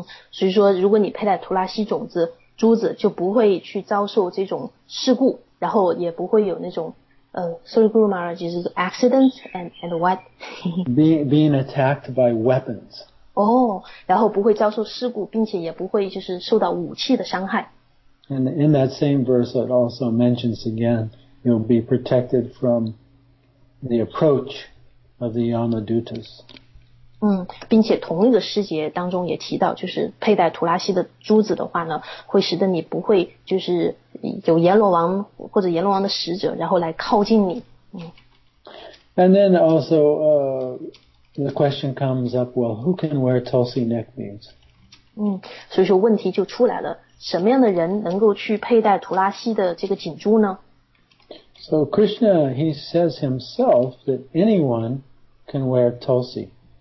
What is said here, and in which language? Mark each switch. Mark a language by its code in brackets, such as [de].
[zh] 所以说如果你佩戴图拉西种子珠子就不会去遭受这种事故，然后也不会有那种 [en] sorry Guru Maharaj, [zh] 就是 [en] accident and what? being attacked by weapons. [zh] 然后不会遭受事故，并且也不会就是受到武器的伤害。 [en] And in that same verse, it also mentions again, you'll be protected from the approach of the Yamadutas. [zh] 并且同一个师节当中也提到，就是佩戴图拉西的珠子的话呢，会使得你不会就是有阎罗王或者阎罗王的使者然后来靠近你。 [en] And then also, the question comes up, well, who can wear Tulsi neck beads? [zh] 所以说问题就出来了，什么样的人能够去佩戴图拉西的这个颈珠呢？ [en] So Krishna, he says himself that anyone can wear Tulsi.